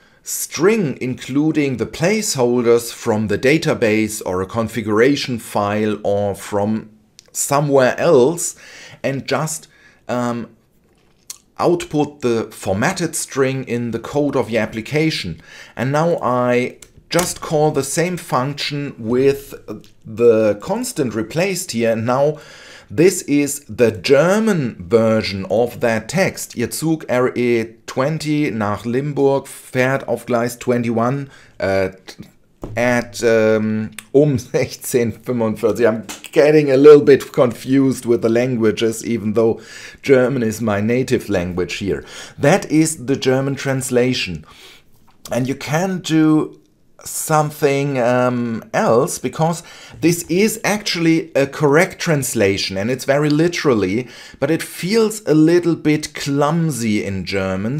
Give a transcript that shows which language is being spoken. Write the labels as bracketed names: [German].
[English] string, including the placeholders from the database or a configuration file or from somewhere else, and just output the formatted string in the code of the application. And now I just call the same function with the constant replaced here. And now this is the German version of that text. [German] Ihr Zug RE 20 nach Limburg fährt auf Gleis 21 [English] at 16:45. I'm getting a little bit confused with the languages, even though German is my native language here. That is the German translation. And you can do something else, because this is actually a correct translation and it's very literally, but it feels a little bit clumsy in German.